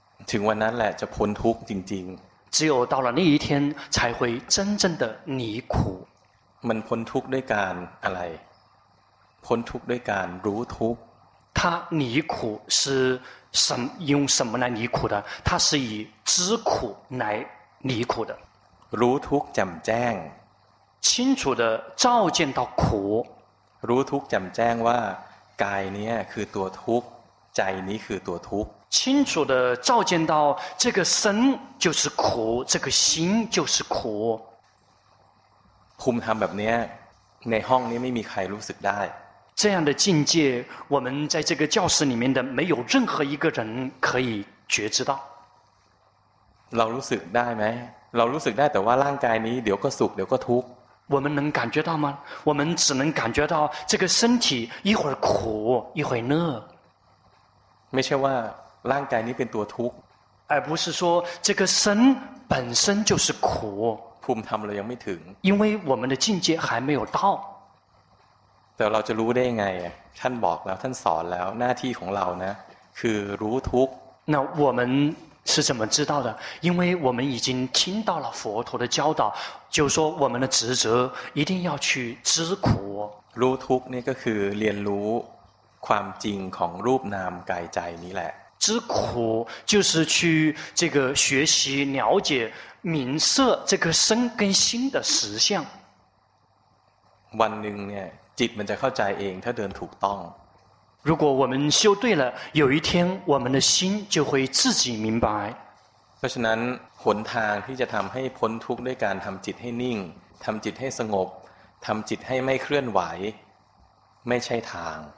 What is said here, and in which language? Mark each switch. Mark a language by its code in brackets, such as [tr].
[th] ถึงวันนั้นแหละจะพ้นทุกข์จริง [zh] ๆ只有到了那一天才会真正的离苦 [th] มันพ้นทุกข์ด้วยการอะไรพ้นทุกข์ด้วยการรู้ทุกข์ [zh] 他离苦是什么用什么来离苦的他是以知苦来离苦的 [th] รู้ทุกข์แจ่มแจ้ง [zh] 清楚的照见到苦 [th] รู้ทุกข์แจ่มแจ้งว่ากายนี้คือตัวทุกข์ใจนี้คือตัวทุกข์ [zh] 清楚的照见到这个身就是苦这个心就是苦 [th] ภูมิธรรมแบบนี้ในห้องนี้ไม่มีใครรู้สึกได้ [zh] 这样的境界我们在这个教室里面的没有任何一个人可以觉知到 [th] เรารู้สึกได้ไหมเรารู้สึกได้แต่ว่าร่างกายนี้เดี๋ยวก็สุขเดี๋ยวก็ทุกข์ [zh] 我们能感觉到吗？我们只能感觉到这个身体一会儿苦一会儿乐。 [th] ไม่ใช่ว่าร่างกายนี้เป็นตัวทุกข์ [zh] 而不是说这个身本身就是苦。 [th] ภูมิธรรมเรายังไม่ถึง [zh] 因为我们的境界还没有到。 [th] แต่เราจะรู้ได้ไงท่านบอกแล้วท่านสอนแล้วหน้าที่ของเรานะคือรู้ทุกข์ [zh] 那我们是怎么知道的？因为我们已经听到了佛陀的教导，就是说我们的职责一定要去知苦。 [th] รู้ทุกข์นี่ก็คือเรียนรู้ความจริงของรูปนามกายใจนี้แหละ。 [zh] 知苦就是去这个学习了解明色这个身跟心的实相。 [th] วันหนึ่งเนี่ยจิตมันจะเข้าใจเองถ้าเดินถูกต้อง。 [zh] 如果我们修对了，有一天我们的心就会自己明白。 [th] เพราะฉะนั้นหนทางที่จะทำให้พ้นทุกข์ด้วยการทำจิตให้นิ่งทำจิตให้สงบทำจิตให้ไม่เคลื่อนไหวไม่ใช่ทาง